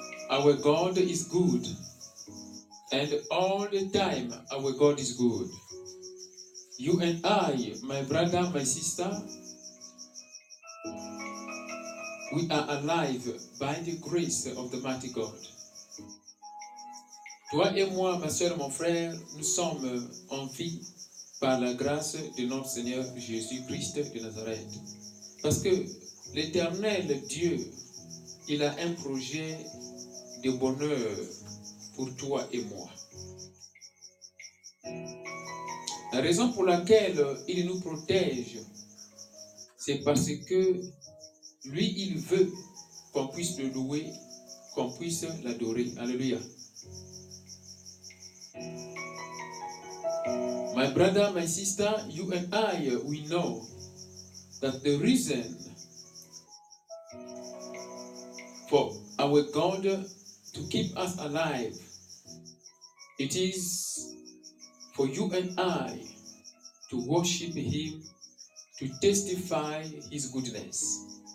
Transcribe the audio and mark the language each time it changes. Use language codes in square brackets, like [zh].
[en] Our God is good, and all the time our God is good. You and I, my brother, my sister, we are alive by the grace of the mighty God. [fr] Toi et moi, ma soeur, mon frère, nous sommes en vie par la grâce de notre Seigneur Jésus-Christ de Nazareth. Parce que l'Éternel Dieu, il a un projet de bonheur pour toi et moi. La raison pour laquelle il nous protège, c'est parce que lui, il veut qu'on puisse le louer, qu'on puisse l'adorer. Alléluia. [en] My brother, my sister, you and I, we know that the reason for our God to keep us alive, it is for you and I to worship Him, to testify His goodness.